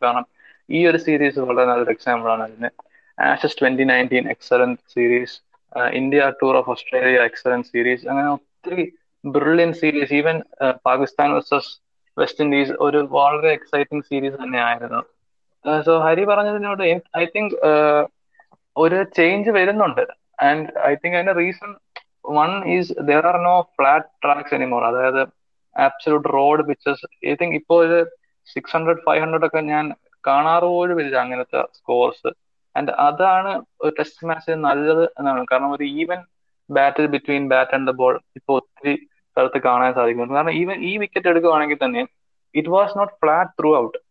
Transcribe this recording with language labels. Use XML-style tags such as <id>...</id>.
<ml>കാരണം ഈ ഒരു സീരീസ് വളരെ നല്ലൊരു എക്സാമ്പിൾ ആണ് അതിന്. Ashes 2019 excellent series, India tour of Australia excellent series, അങ്ങനെ ഒത്തിരി brilliant series. Even Pakistan versus west Indies ഒരു വളരെ എക്സൈറ്റിംഗ് സീരീസ് തന്നെയായിരുന്നു. സോ ഹരി പറഞ്ഞതിനോട്</ml> <en>I think</en> <ml>ഒരു ചേഞ്ച് വരുന്നുണ്ട്.</ml> <en>and I think</en> <ml>അതിന്റെ</ml> <en>Reason One is there are no flat tracks anymore. That is the absolute road pitches. I think</en> <ml>ഇപ്പോ 600, 500 ഒക്കെ ഞാൻ കാണാറുപോലും ഇല്ല അങ്ങനത്തെ സ്കോർസ്. ആൻഡ് അതാണ് ഒരു ടെസ്റ്റ് മാച്ചിന് നല്ലത് എന്നാണ്. കാരണം ഒരു</ml> <en>even battle between bat and the ball</en> <ml>ഇപ്പോൾ ഒത്തിരി സ്ഥലത്ത് കാണാൻ സാധിക്കുന്നു. കാരണം ഈവൻ ഈ വിക്കറ്റ് എടുക്കുകയാണെങ്കിൽ തന്നെ</ml> <en>It was not flat throughout.</en>